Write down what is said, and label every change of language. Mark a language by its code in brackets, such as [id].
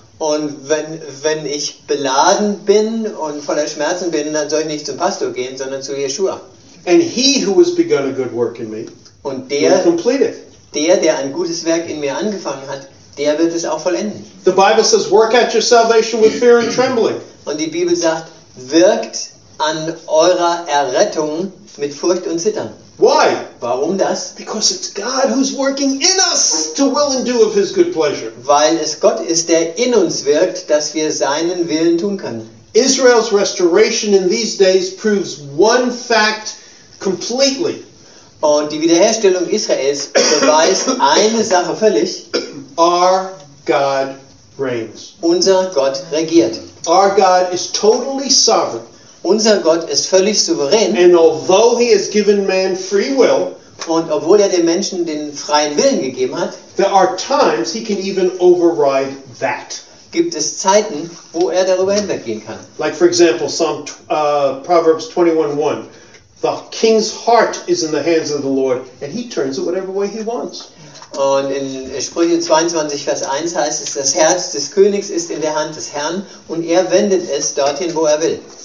[de] Und wenn ich beladen bin und voller Schmerzen bin, dann soll ich nicht zum Pastor gehen, sondern zu Yeshua. [en] And he who has begun a good work in me, [de] und der, [en] will complete it. [de] Der ein gutes Werk in mir angefangen hat, der wird es auch vollenden. [en] The Bible says, work out your salvation with fear and trembling. [de] Und die Bibel sagt, wirkt an eurer Errettung mit Furcht und Zittern. [en] Why? [de] Warum das? [en] Because it's God who's working in us to will and do of his good pleasure. [de] Weil es Gott ist, der in uns wirkt, dass wir seinen Willen tun können. [en] Israel's restoration in these days proves one fact completely. [de] Und die Wiederherstellung Israels beweist eine Sache völlig. [en] Our God reigns. [de] Unser Gott regiert. [en] Our God is totally sovereign. [de] Unser Gott ist völlig souverän. [en] And although he has given man free will, [de] und obwohl er den Menschen den freien Willen gegeben hat, [en] there are times he can even override that. [de] Gibt es Zeiten, wo er darüber hinweggehen kann. [en] Like for example, Psalm, Proverbs 21:1. The king's heart is in the hands of the Lord, and he turns it whatever way he wants. [de] Und in Sprüche 22, Vers 1 heißt es, das Herz des Königs ist in der Hand des Herrn, und er wendet es dorthin, wo er will.